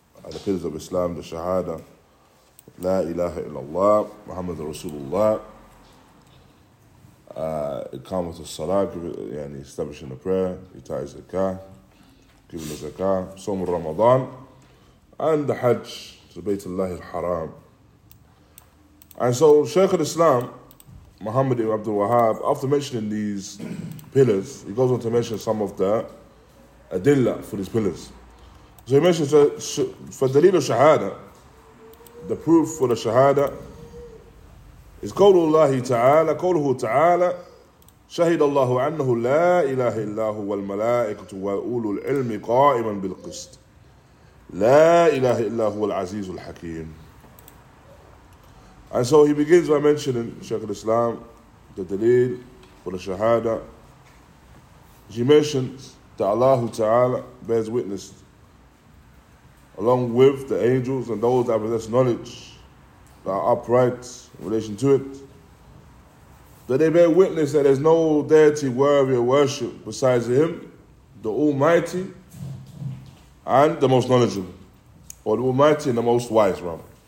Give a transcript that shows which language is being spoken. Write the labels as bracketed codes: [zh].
[en] The pillars of Islam, the Shahada, La ilaha illallah, Muhammad Rasulullah, Iqamat al-Salah, establishing the prayer, Itai Zakah, giving the Zakah, Sawm al-Ramadan, and the Hajj, to Bayt Allah al-Haram. And so Shaykh al-Islam, Muhammad ibn Abdul Wahhab, after mentioning these pillars, he goes on to mention some of the adilla for these pillars. So he mentions, for dalil al-Shahada, the proof for the Shahada, is [ar] قوله الله تعالى قوله تعالى شهد الله أنه لا إله إلا هو الملائكة وأولو العلم قائما بالقسط لا إله إلا هو العزيز الحكيم. [en] And so he begins by mentioning Shaykh al-Islam the دليل for the Shahada. He mentions that Allah تعالى bears witness along with the angels and those that possess knowledge that are upright in relation to it, that they bear witness that there's no deity worthy of worship besides Him, the Almighty and the Most Knowledgeable, or the Almighty and the Most Wise, rather.